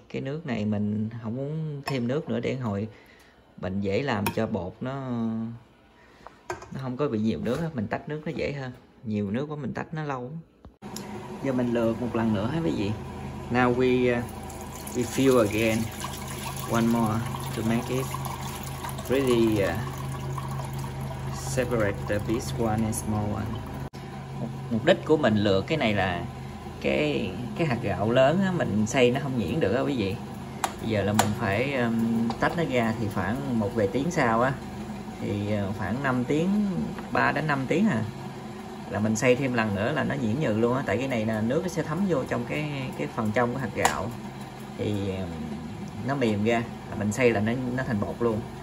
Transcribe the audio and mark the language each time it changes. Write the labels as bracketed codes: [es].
[vi] Cái nước này mình không muốn thêm nước nữa để hồi mình dễ làm cho bột nó không có bị nhiều nước, mình tách nước nó dễ hơn. Nhiều nước quá mình tách nó lâu. Giờ mình lược một lần nữa hay cái gì. [en] Now we fill again one more to make it really separate the big one and small one. [vi] Mục đích của mình lược cái này là cái hạt gạo lớn á, mình xay nó không nhuyễn được á quý vị. Bây giờ là mình phải tách nó ra thì khoảng một vài tiếng sau á thì khoảng 5 tiếng 3 đến 5 tiếng à là mình xay thêm lần nữa là nó nhuyễn nhừ luôn á, tại cái này là nước nó sẽ thấm vô trong cái phần trong của hạt gạo thì nó mềm ra là mình xay là nó thành bột luôn.